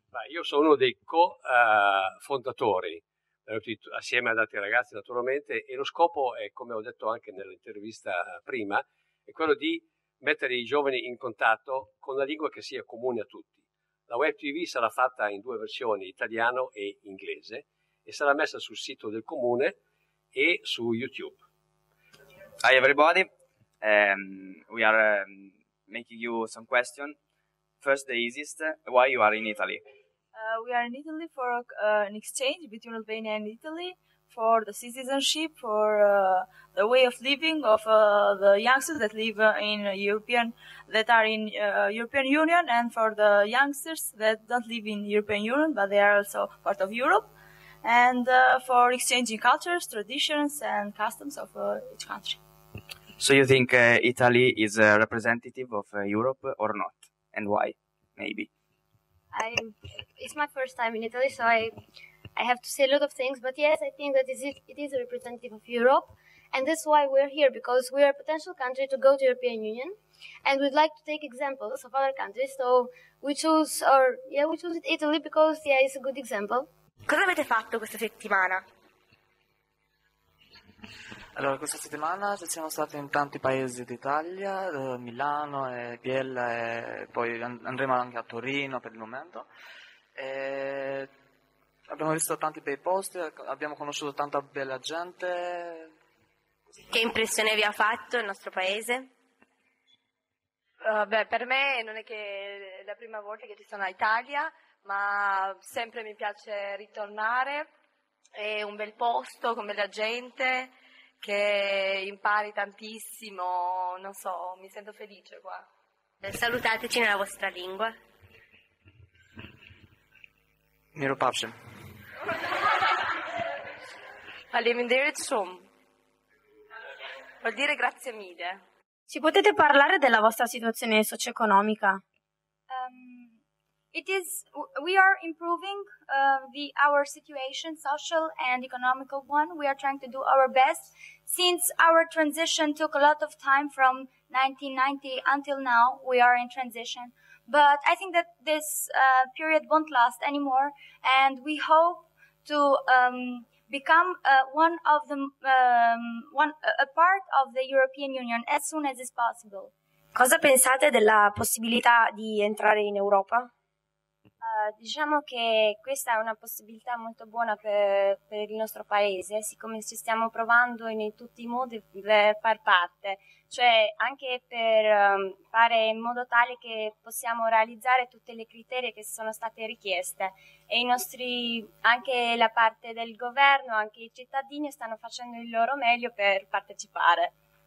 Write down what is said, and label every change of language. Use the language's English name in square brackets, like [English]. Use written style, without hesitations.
[Italian] Io sono dei co-fondatori, assieme ad altri ragazzi naturalmente, e lo scopo è, come ho detto anche nell'intervista prima, è quello di mettere i giovani in contatto con la lingua che sia comune a tutti. La Web TV sarà fatta in due versioni, italiano e inglese, e sarà messa sul sito del comune e su YouTube. [English] Hi everybody, we are making you some questions. First, the easiest, why you are in Italy? We are in Italy for an exchange between Albania and Italy, for the citizenship, for the way of living of the youngsters that live in European, that are in European Union, and for the youngsters that don't live in European Union, but they are also part of Europe, and for exchanging cultures, traditions, and customs of each country. So you think Italy is a representative of Europe or not? And why? Maybe. It's my first time in Italy, so I have to say a lot of things. But yes, I think that it is a representative of Europe. And that's why we're here, because we are a potential country to go to European Union. And we'd like to take examples of other countries. So we chose Italy because, yeah, it's a good example. [Italian] Cosa avete fatto questa settimana? Allora, questa settimana ci siamo stati in tanti paesi d'Italia, Milano e Biella, e poi andremo anche a Torino per il momento. E abbiamo visto tanti bei posti, abbiamo conosciuto tanta bella gente. Che impressione vi ha fatto il nostro paese? Per me non è che la prima volta che ci sono in Italia, ma sempre mi piace ritornare. È un bel posto con bella gente, che impari tantissimo, non so, mi sento felice qua. Salutateci nella vostra lingua. Miro pace. Arrivederci. Vuol dire grazie mille. Ci potete parlare della vostra situazione socio-economica? [English] We are improving our situation, social and economical one. We are trying to do our best. Since our transition took a lot of time from 1990 until now, we are in transition. But I think that this period won't last anymore, and we hope to become a part of the European Union as soon as is possible. [Italian] Cosa pensate della possibilità di entrare in Europa? Diciamo che questa è una possibilità molto buona per il nostro paese, siccome ci stiamo provando in tutti i modi per far parte, cioè anche per fare in modo tale che possiamo realizzare tutte le criterie che sono state richieste, e i nostri, anche la parte del governo, anche i cittadini stanno facendo il loro meglio per partecipare.